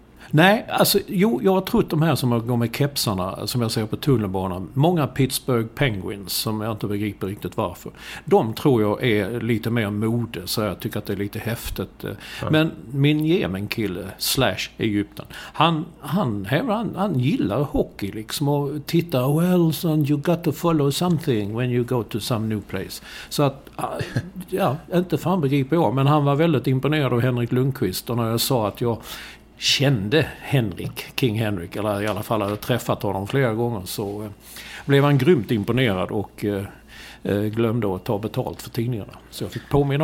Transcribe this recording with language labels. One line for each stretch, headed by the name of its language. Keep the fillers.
Swedish: Nej, alltså jo, jag har trott de här som går med kepsarna, som jag ser på tunnelbanan. Många Pittsburgh Penguins, som jag inte begriper riktigt varför. De tror jag är lite mer mode, så jag tycker att det är lite häftigt. Men min Jemen-kille, slash Egypten, han, han, hävdar- han, han gillar hockey liksom och tittar.
English: Well son, you got to follow something when you go to some new place.
Swedish: Så att, ah, ja, inte fan begriper jag. Men han var väldigt imponerad av Henrik Lundqvist. Och när jag sa att jag kände Henrik, King Henrik, eller i alla fall hade träffat honom flera gånger, så eh, blev han grymt imponerad och eh, eh, glömde att ta betalt för tidningarna. Så jag fick påminna